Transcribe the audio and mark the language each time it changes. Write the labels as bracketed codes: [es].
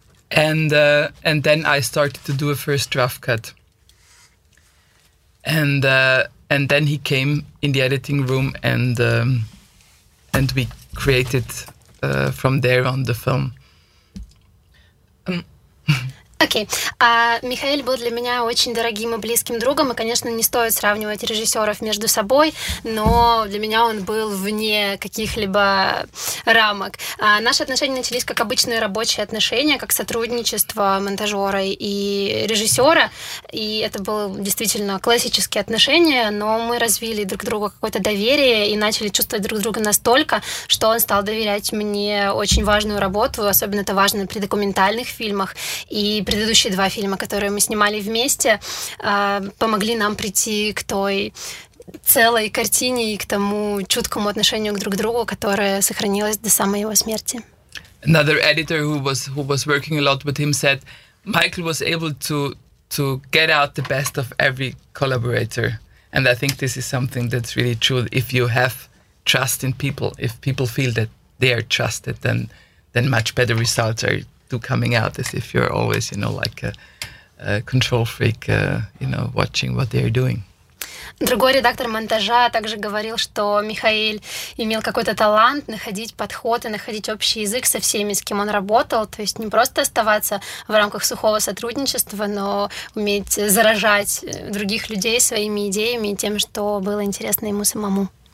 [en] And then I started to do a first rough cut. And then he came in the editing room and we created from there on the film. [ru] Окей. Михаил был для меня очень дорогим и близким другом, и, конечно, не стоит сравнивать режиссеров между собой, но для меня он был вне каких-либо рамок. Наши отношения начались как обычные рабочие отношения, как сотрудничество монтажера и режиссера, и это было действительно классические отношения, но мы развили друг другу какое-то доверие и начали чувствовать друг друга настолько, что он стал доверять мне очень важную работу, особенно это важно при документальных фильмах, и предыдущие два фильма, которые мы снимали вместе, помогли нам прийти к той целой картине и к тому чуткому отношению друг к другу, которое сохранилось до самой его смерти. [en] Another editor who was working a lot with him said Michael was able to get out the best of every collaborator. And I think this is something that's really true. If you have trust in people, if people feel that they are trusted, then much better results are coming out as if you're always, you know, like a control freak, you know, watching what they're doing. [ru] Другой редактор монтажа также говорил, что Михаил имел какой-то талант находить подход и находить общий язык со всеми, с кем он работал. То есть не просто оставаться в рамках сухого сотрудничества, но уметь заражать других людей своими идеями и тем, что было интересно ему самому.